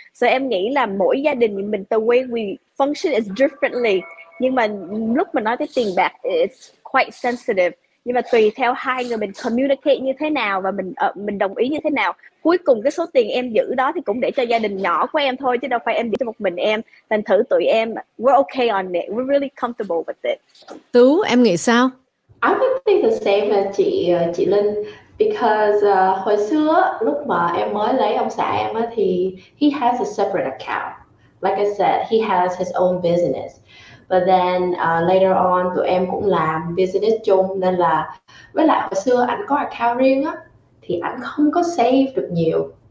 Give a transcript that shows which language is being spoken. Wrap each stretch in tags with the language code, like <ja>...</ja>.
<vi>So em nghĩ là mỗi gia đình mình,</vi> <en>the way we function is differently.</en> <vi>Nhưng mà lúc mình nói tới tiền bạc,</vi> <en>it's quite sensitive.</en> <vi>Nhưng mà tùy theo hai người mình communicate như thế nào và mình đồng ý như thế nào, cuối cùng cái số tiền em giữ đó thì cũng để cho gia đình nhỏ của em thôi, chứ đâu phải em giữ cho một mình em. Thành thử tụi em,</vi> <en>we're okay on it, we're really comfortable with it.</en> <vi>Tú, em nghĩ sao?</vi> <en>I would think the same as chị Linh.</en> <vi>Because hồi xưa lúc mà em mới lấy ông xã em thì</vi> <en>he has a separate account. Like I said, he has his own business. But then later on</en> <vi>tụi em cũng làm business chung, nên là với lại hồi xưa ảnh có account riêng á thì ảnh không có save được nhiều.</vi>